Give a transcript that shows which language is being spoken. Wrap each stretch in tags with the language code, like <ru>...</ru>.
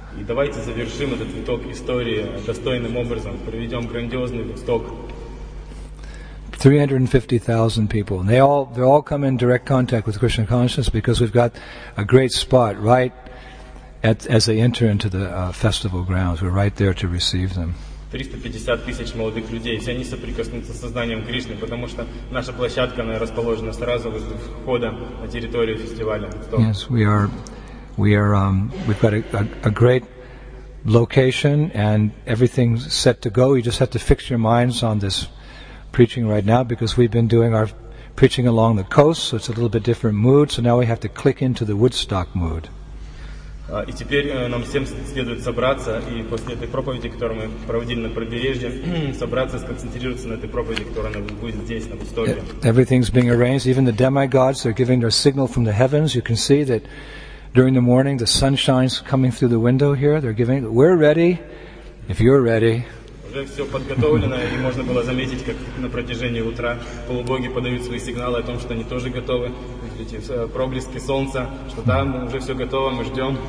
<ru>И давайте завершим этот Woodstock истории достойным образом, проведем грандиозный Woodstock.</ru> <en>350,000 people. And they all come in direct contact with Krishna consciousness because we've got a great spot right at as they enter into the festival grounds. We're right there to receive them.</en> <ru>350,000 молодых людей. Все они соприкоснутся с сознанием Кришны, потому что наша площадка расположена сразу возле входа на территорию фестиваля.</ru> <en>Yes, we are. We've got a great location and everything's set to go. You just have to fix your minds on this. Preaching right now because we've been doing our preaching along the coast, so it's a little bit different mood. So now we have to click into the Woodstock mood.</en> <ru>И теперь нам всем следует собраться и после этой проповеди, которую мы проводили на побережье, собраться, сконцентрироваться на этой проповеди, которая будет здесь на Woodstock.</ru> <en>Everything's being arranged. Even the demigods are giving their signal from the heavens. You can see that during the morning, the sun shines coming through the window here. They're giving. We're ready. If you're ready.</en> <ru>Уже все подготовлено, и можно было заметить, как на протяжении утра полубоги подают свои сигналы о том, что они тоже готовы. Эти проблески солнца, что да, мы уже все готово, мы ждем.</ru>